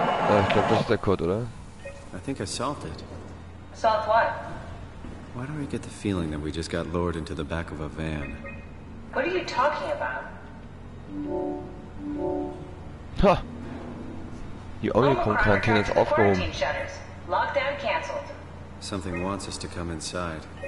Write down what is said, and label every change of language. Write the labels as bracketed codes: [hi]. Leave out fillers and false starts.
[de] Ah, ich glaube, das ist der Code, oder? [en] I think I solved it. Solved what? Why do I get the feeling that we just got lowered into the back of a van? What are you talking about? Ha! [de] Die Omikron-Quarantäne ist aufgehoben. [en] Lockdown canceled. Something wants us to come inside.